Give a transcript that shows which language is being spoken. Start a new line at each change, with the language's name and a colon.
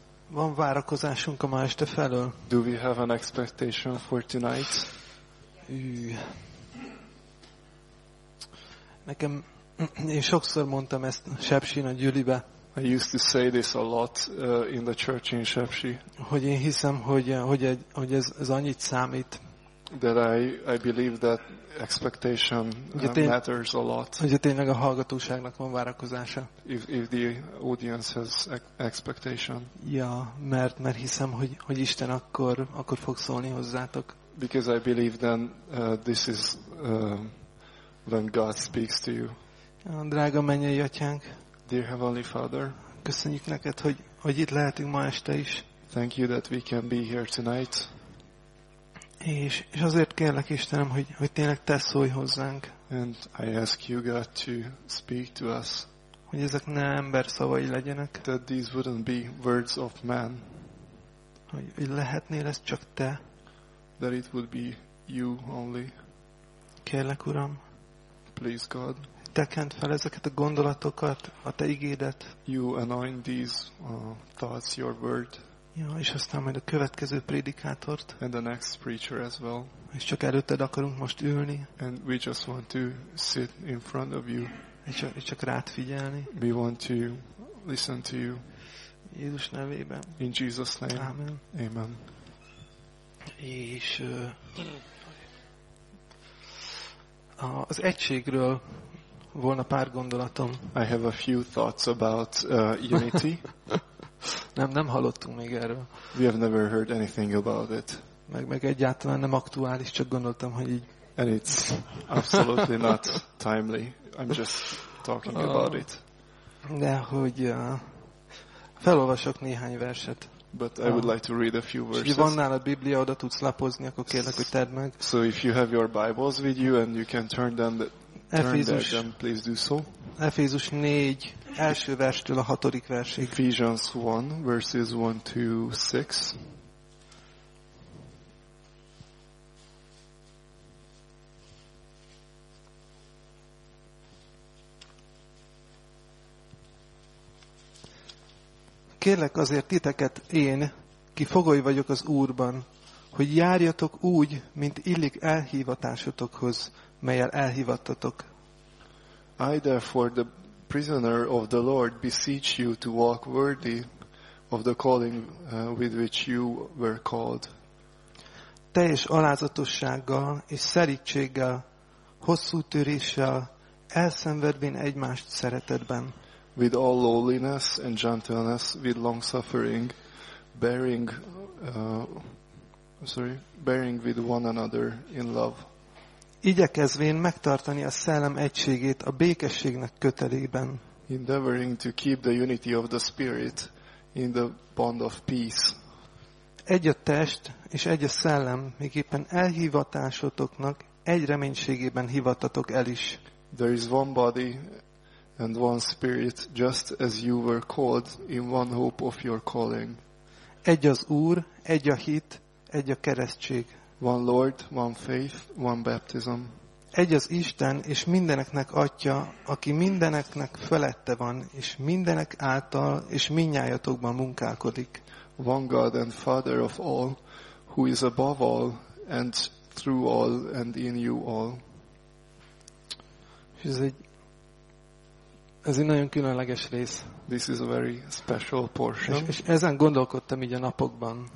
Hungarian: Van várakozásunk a ma este felől?
English: Do we have an expectation for tonight?
Hungarian: Nekem, én sokszor mondtam ezt Sepsin a gyülibe.
English: I used to say this a lot in the church in Sepsi.
Hungarian: Hogy én hiszem, hogy ez annyit számít.
English: That I believe that expectation matters a lot.
Hungarian: Ugye tényleg a hallgatóságnak van várakozása.
English: If the audience has expectation.
Hungarian: Ja, mert hiszem, hogy Isten akkor fog szólni hozzátok.
English: Because I believe then this is when God speaks to you.
Hungarian: Drága mennyei atyánk.
English: Dear Heavenly Father.
Hungarian: Köszönjük neked, hogy itt lehetünk ma este is.
English: Thank you that we can be here tonight.
Hungarian: És azért kérlek Istenem, hogy tényleg te szólj hozzánk.
English: And I ask you God to speak to us.
Hungarian: Hogy ezek ne ember szavai legyenek.
English: That these wouldn't be words of man.
Hungarian: Hogy lehetnél ez csak te.
English: That it would be you only.
Hungarian: Kérlek Uram.
English: Please God.
Hungarian: Tekent fel ezeket a gondolatokat, a te igédet.
English: You anoint these thoughts, your word.
Hungarian: Ja, és aztán majd a következő prédikátort.
English: And the next preacher as well.
Hungarian: És csak előtted akarunk most ülni.
English: And we just want to sit in front of you.
Hungarian: És csak rád figyelni.
English: We want to listen to you.
Hungarian: Jézus nevében.
English: In Jesus name.
Hungarian: Amen.
English: Amen.
Hungarian: És az egységről volna pár gondolatom.
English: I have a few thoughts about unity.
Hungarian: Nem hallottunk még erről.
English: We have never heard anything about it.
Hungarian: Meg egyáltalán nem aktuális, csak gondoltam, hogy így.
English: And it's absolutely not timely. I'm just talking about it.
Hungarian: De hogy felolvasok néhány verset.
English: But I would like to read a few verses.
Hungarian: És van nála Biblia, oda tudsz lapozni, akkor kérlek, hogy tedd meg.
English: So if you have your Bibles with you and you can turn them then please do so.
Hungarian: Efézus 4, első verstől a hatodik versig.
English: Ephesians 1, verses 1 to 6.
Hungarian: Kérlek azért titeket én, ki fogoly vagyok az Úrban, hogy járjatok úgy, mint illik elhívatásotokhoz, melyel elhívattatok.
English: I therefore, the prisoner of the Lord, beseech you to walk worthy of the calling with which you were called.
Hungarian: Teljes alázatossággal és szerítséggel, hosszú töréssel, elszenvedvén egymást szeretetben.
English: With all lowliness and gentleness, with long suffering, bearing with one another in love.
Hungarian: Igyekezvén megtartani a szellem egységét a békességnek kötelében.
English: Endeavoring to keep the unity of the spirit in the bond of peace.
Hungarian: Egy a test és egy a szellem, miképpen elhivatásotoknak egy reménységében hivattatok el is.
English: There is one body and one spirit, just as you were called in one hope of your calling.
Hungarian: Egy az Úr, egy a hit, egy a keresztség.
English: One Lord, one faith, one baptism.
Hungarian: Egy az Isten és mindeneknek atya, aki mindeneknek felette van, és mindenek által és mindnyájatokban munkálkodik.
English: One God and Father of all, who is above all and through all and in you all.
Hungarian: Ez egy nagyon különleges rész.
English: This is a very special portion.
Hungarian: És ezen gondolkodtam így a napokban.